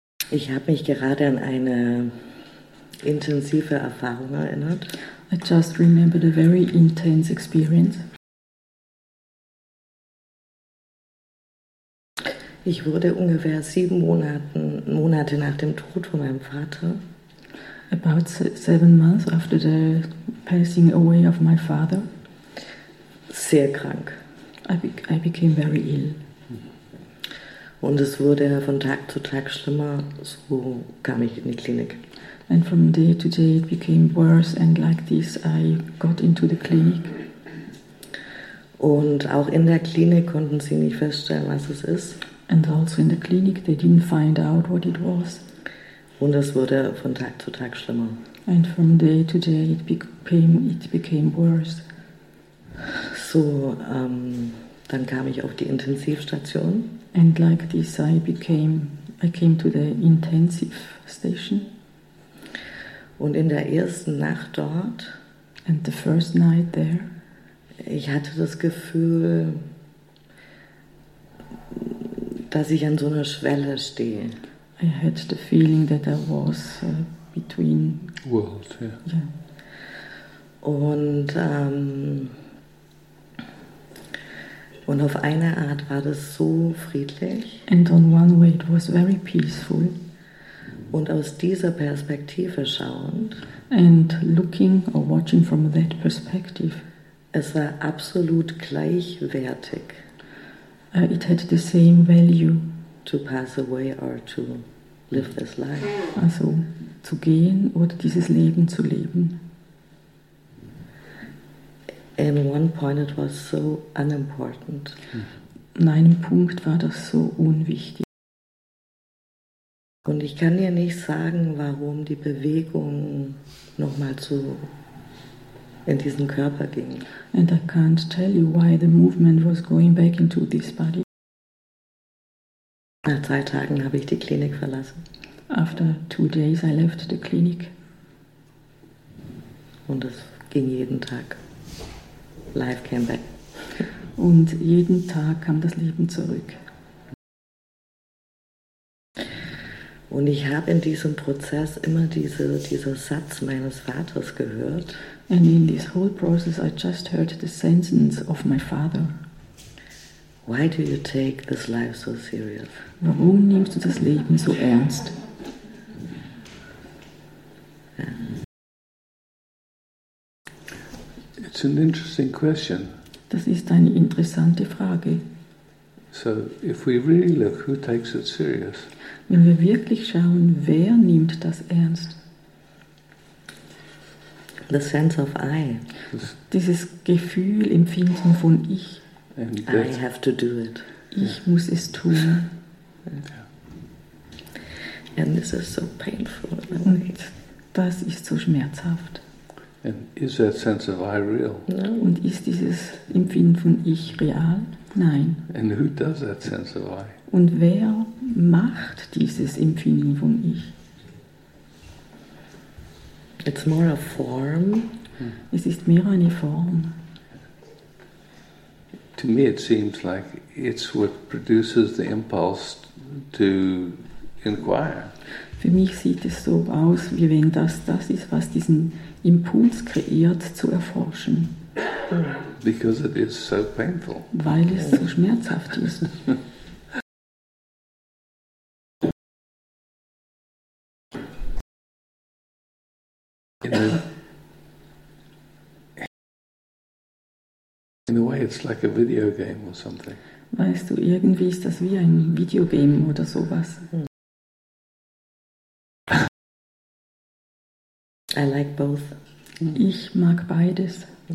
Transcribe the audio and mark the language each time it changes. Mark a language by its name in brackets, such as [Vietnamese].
[German] Ich habe mich gerade an eine intensive Erfahrung erinnert. [English] I just remembered a very intense experience. [German] Ich wurde ungefähr 7 Monate nach dem Tod von meinem Vater. [English] About 7 months after the passing away of my father. [German] Sehr krank. [English] I became very ill. [German] Und es wurde von Tag zu Tag schlimmer, so kam ich in die Klinik. [English] And from day to day it became worse and like this I got into the clinic. [German] Und auch in der Klinik konnten sie nicht feststellen, was es ist. [English] And also in the clinic they didn't find out what it was. [German] Und es wurde von Tag zu Tag schlimmer. [English] And from day to day it became worse. [German] So, dann kam ich auf die Intensivstation. [English] And like this I came to the intensive station. [German] Und in der ersten Nacht dort, [English] and the first night there, [German] ich hatte das Gefühl, dass ich an so einer Schwelle stehe. [English] I had the feeling that I was between worlds, yeah. Yeah. [German] Und auf eine Art war das so friedlich. [English] And on one way it was very peaceful. [German] Und aus dieser Perspektive schauend, [English] And looking or watching from that perspective, [German] es war absolut gleichwertig. [English] It had the same value to pass away or to live this life. [German] Also zu gehen oder dieses Leben zu leben. [English] And one point it was so unimportant. [German] An einem Punkt war das so unwichtig. Und ich kann dir nicht sagen, warum die Bewegung nochmal so in diesen Körper ging. [English] And I can't tell you why the movement was going back into this body. [German] Nach 2 Tagen habe ich die Klinik verlassen. [English] After 2 days I left the clinic. [German] Und es ging jeden Tag. [English] Life came back. [German] Und jeden Tag kam das Leben zurück. Und ich habe in diesem Prozess immer dieser Satz meines Vaters gehört. [English] And in this whole process I just heard the sentence of my father. Why do you take this life so serious? [German] Warum nimmst du das Leben so ernst? [English] It's an interesting question. [German] Das ist eine interessante Frage. [English] So if we really look, who takes it serious? [German] Wenn wir wirklich schauen, wer nimmt das ernst? [English] The sense of I. [German] Dieses Gefühl, Empfinden von ich. [English] And I have to do it. [German] Ich muss es tun. [English] Yeah. And this is so painful. [German] Und das ist so schmerzhaft. [English] And is that sense of I real? No. [German] Und ist dieses Empfinden von ich real? Nein. [English] And who does that sense of I? [German] Und wer macht dieses Empfinden von ich? [English] It's more a form. [German] Es ist mehr eine Form. [English] To me it seems like it's what produces the impulse to inquire. [German] Für mich sieht es so aus, wie wenn das ist, was diesen Impuls kreiert, zu erforschen. [English] Because it is so painful. [German] Weil es so schmerzhaft ist. [English] In a way it's like a video game or something. [German] Weißt du, irgendwie ist das wie ein Videogame oder sowas. [English] I like both. [German] Ich mag beides.